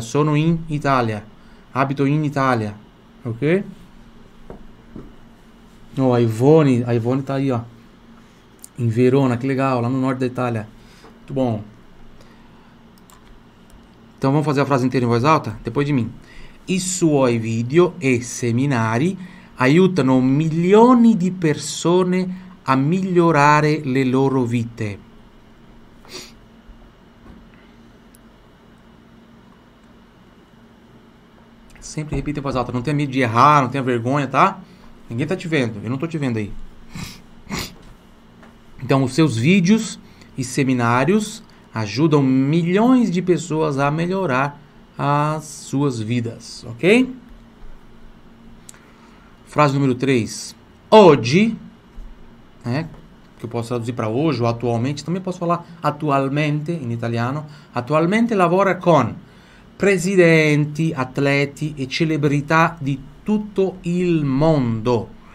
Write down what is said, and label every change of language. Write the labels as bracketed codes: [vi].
[it] Sono in Italia. Habito in Italia. Ok? [pt] Ó, Ivone. A Ivone tá aí, ó. Em Verona, que legal. Lá no norte da Itália. Muito bom. Então vamos fazer a frase inteira em voz alta? Depois de mim. [it] I suoi video e seminari aiutano milioni di persone a migliorare le loro vite. [pt] Sempre repita em voz alta. Não tenha medo de errar, não tenha vergonha, tá? Ninguém tá te vendo. Eu não tô te vendo aí. Então, os seus vídeos e seminários ajudam milhões de pessoas a melhorar as suas vidas, ok? Frase número 3. Hoje, né, que eu posso traduzir para hoje ou atualmente, também posso falar atualmente em italiano. [it] Atualmente lavora con presidenti, atleti e celebrità di tutto il mondo.